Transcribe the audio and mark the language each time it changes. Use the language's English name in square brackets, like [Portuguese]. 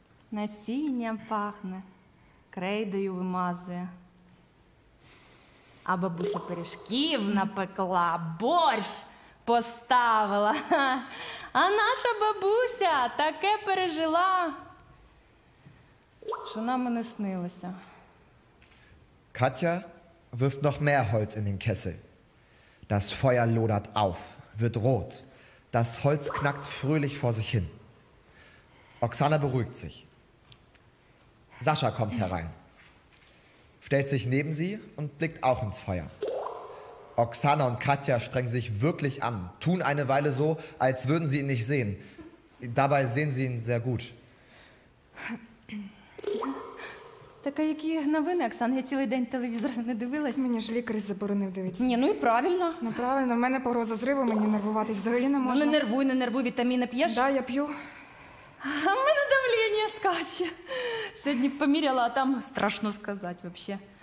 [Ukrainian] Насінням пахне. Крейдою вимазує. А бабуся пиріжків напекла, борщ поставила. А наша бабуся таке пережила, що нам не снилося. [German] Katja wirft noch mehr Holz in den Kessel. Das Feuer lodert auf, wird rot. Das Holz knackt fröhlich vor sich hin. Oksana beruhigt sich. Sascha kommt herein, stellt sich neben sie und blickt auch ins Feuer. Oksana und Katja strengen sich wirklich an, tun eine Weile so, als würden sie ihn nicht sehen. Dabei sehen sie ihn sehr gut. [Ukrainian] Так а які новини, Оксан? Я цілий день телевізор не дивилась. Мені ж лікар заборонив дивитися. Ні, ну і правильно. Ну правильно, в мене погроза зриву, мені нервуватись взагалі не можна. Ну не нервуй, вітаміни п'єш? Да, я п'ю. А в мене давлення скаче. Сьогодні поміряла, а там страшно сказати взагалі.